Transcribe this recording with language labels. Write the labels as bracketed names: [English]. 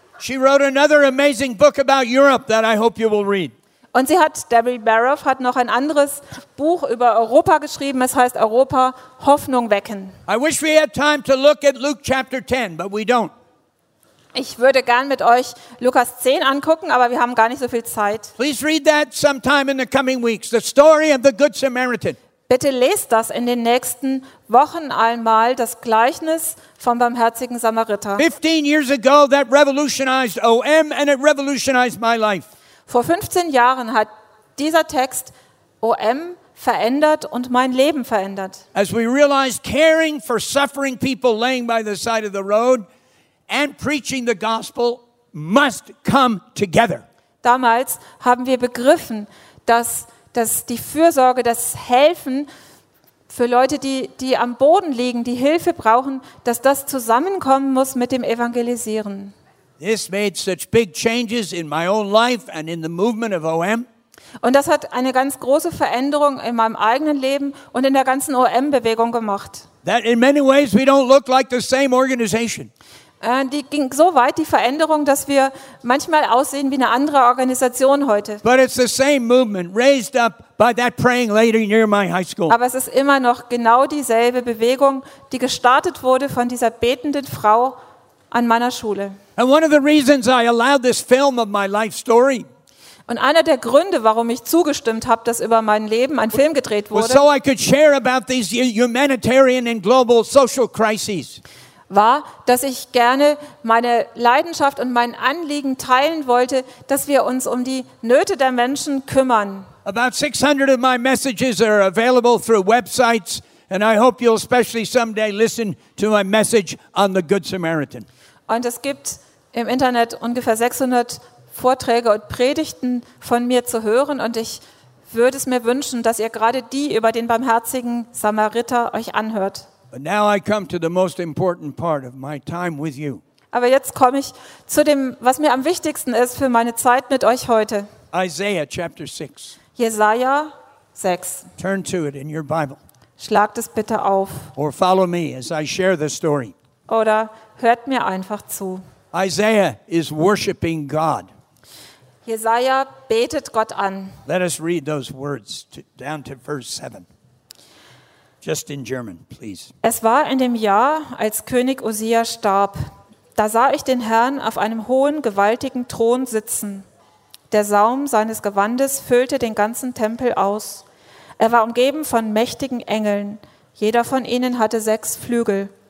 [English] She wrote another amazing book about Europe that I hope you will read. [German] Und sie hat, Debbie Meroff, hat noch ein anderes Buch über Europa geschrieben. Es heißt Europa, Hoffnung wecken. [English] I wish we had time to look at Luke chapter 10, but we don't. [German] Ich würde gern mit euch Lukas 10 angucken, aber wir haben gar nicht so viel Zeit. [English] Please read that sometime in the coming weeks, the story of the Good Samaritan. [German] Bitte lest das in den nächsten Wochen einmal, das Gleichnis vom barmherzigen Samariter. [English] 15 years ago that revolutionized OM and it revolutionized my life. [German] Vor 15 Jahren hat dieser Text OM verändert und mein Leben verändert. [English] As we realized caring for suffering people laying by the side of the road and preaching the gospel must come together. [German] Damals haben wir begriffen, dass die Fürsorge, das Helfen für Leute, die am Boden liegen, die Hilfe brauchen, dass das zusammenkommen muss mit dem Evangelisieren. [English] This made such big changes in my own life and in the movement of OM. [German] Und das hat eine ganz große Veränderung in meinem eigenen Leben und in der ganzen OM-Bewegung gemacht. [English] That in many ways we don't look like the same organization. [German] Die ging so weit, die Veränderung, dass wir manchmal aussehen wie eine andere Organisation heute. [English] But it's the same movement raised up by that praying lady near my high school. [German] Aber es ist immer noch genau dieselbe Bewegung, die gestartet wurde von dieser betenden Frau an meiner Schule. [English] And one of the reasons I allowed this film of my life story. [German] Und einer der Gründe, warum ich zugestimmt habe, dass über mein Leben ein Film gedreht wurde, [English] so I could share about these humanitarian and global social crises. [German] War, dass ich gerne meine Leidenschaft und mein Anliegen teilen wollte, dass wir uns um die Nöte der Menschen kümmern. [English] About 600 of my messages are available through websites, and I hope you'll especially someday listen to my message on the Good Samaritan. [German] Und es gibt im Internet ungefähr 600 Vorträge und Predigten von mir zu hören, und ich würde es mir wünschen, dass ihr gerade die über den barmherzigen Samariter euch anhört. [English] But now I come to the most important part of my time with you. [German] Aber jetzt komme ich zu dem, was mir am wichtigsten ist für meine Zeit mit euch heute. [English] Isaiah chapter 6. [German] Jesaja 6. [English] Turn to it in your Bible. [German] Schlagt es bitte auf. [English] Or follow me as I share the story. [German] Oder hört mir einfach zu. [English] Isaiah is worshiping God. [German] Jesaja betet Gott an. [English] Let us read those words down to verse 7. Just in German, please. [German] Es war in dem Jahr, als König Usia starb. Da sah ich den Herrn auf einem hohen, gewaltigen Thron sitzen. Der Saum seines Gewandes füllte den ganzen Tempel aus. Er war umgeben von mächtigen Engeln. Jeder von ihnen hatte 6 Flügel.